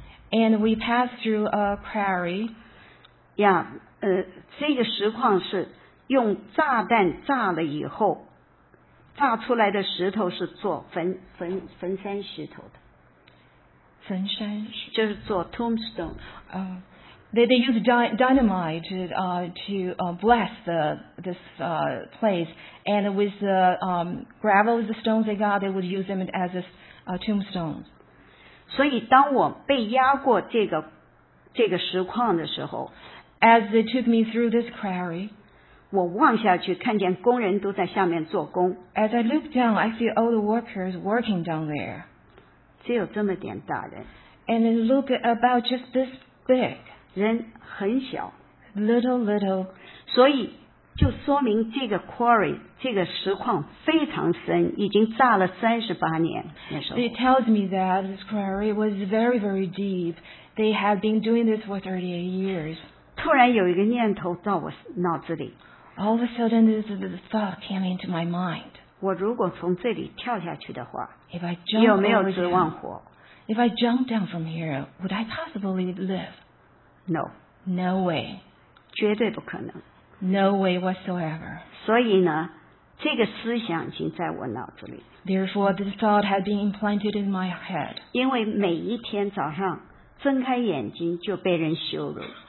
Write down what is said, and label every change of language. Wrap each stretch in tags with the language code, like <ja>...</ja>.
<en>And we passed through a quarry. Yeah,</en> <zh>这个石矿是用炸弹炸了以后，炸出来的石头是做焚山石头的。焚山就是做 tombstone。</zh> <en>They use dynamite to bless this place, and with the gravel, the stones they got, they would use them as a tombstone.</en> <zh>所以当我被压过这个石矿的时候</zh> <en>，as they took me through this quarry,</en> <zh>我望下去看见工人都在下面做工。</zh> <en>As I look down, I see all the workers working down there.</en> <zh>只有这么点大人</zh> <en>，and it look about just this big，</en> <zh>人很小</zh> <en>，little，</en> <zh>所以就说明这个 quarry 这个石矿非常深，已经炸了38年。</zh> <en>It tells me that this quarry was very very deep. They have been doing this for 38 years.</en> <zh>突然有一个念头到我脑子里</zh> <en>，all of a sudden this thought came into my mind.</en> <zh>我如果从这里跳下去的话</zh> <en>if I jump</en> <zh>有没有指望活</zh> <en>If I jump down from here, would I possibly live? No. No way.</en> <zh>绝对不可能。</zh> <en>No way whatsoever.</en> <zh>所以呢这个思想已经在我脑子里。</zh> <en>Therefore, this thought had been implanted in my head.</en> <zh>因为每一天早上睁开眼睛就被人羞辱。</zh>